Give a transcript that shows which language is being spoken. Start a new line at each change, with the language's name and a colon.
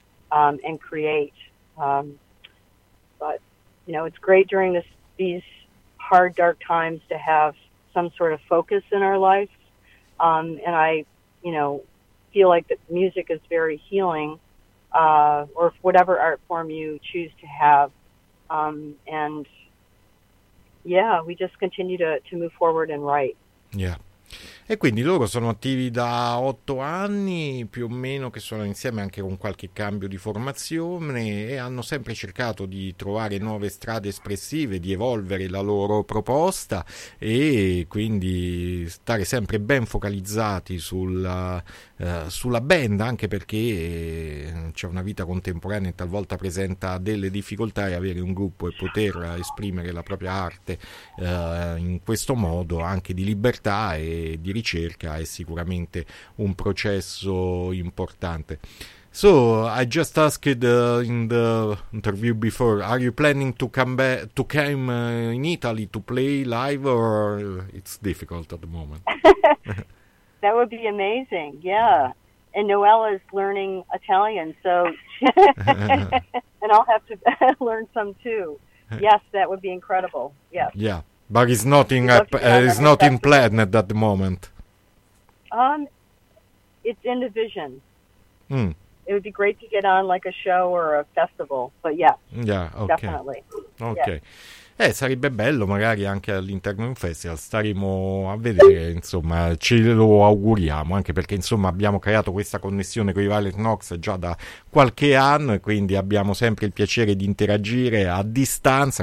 English: And create. But it's great during these hard, dark times to have some sort of focus in our life. And I, feel like that music is very healing, or whatever art form you choose to have. We just continue to move forward and write. Yeah.
Italian: E quindi loro sono attivi da 8 anni più o meno, che sono insieme anche con qualche cambio di formazione, e hanno sempre cercato di trovare nuove strade espressive, di evolvere la loro proposta e quindi stare sempre ben focalizzati sulla band, anche perché c'è una vita contemporanea e talvolta presenta delle difficoltà, e avere un gruppo e poter esprimere la propria arte in questo modo anche di libertà e di ricerca è sicuramente un processo importante.
English: So I just asked in the interview before, are you planning to come back to come in Italy to play live, or it's difficult at the moment? That would be amazing, yeah. And Noella is learning Italian, so and I'll have to learn some too. Yes, that would be incredible. Yeah. Yeah, but it's not in it's not in plan at the moment. It's in the vision. Hmm. It would be great to get on like a show or a festival, but yeah. Yeah, okay. Definitely. Okay. Yeah.
Italian: Sarebbe bello magari anche all'interno di un festival, staremo a vedere, insomma, ce lo auguriamo, anche perché insomma abbiamo creato questa connessione con i Violet Knox già da qualche anno e quindi abbiamo sempre il piacere di interagire a distanza.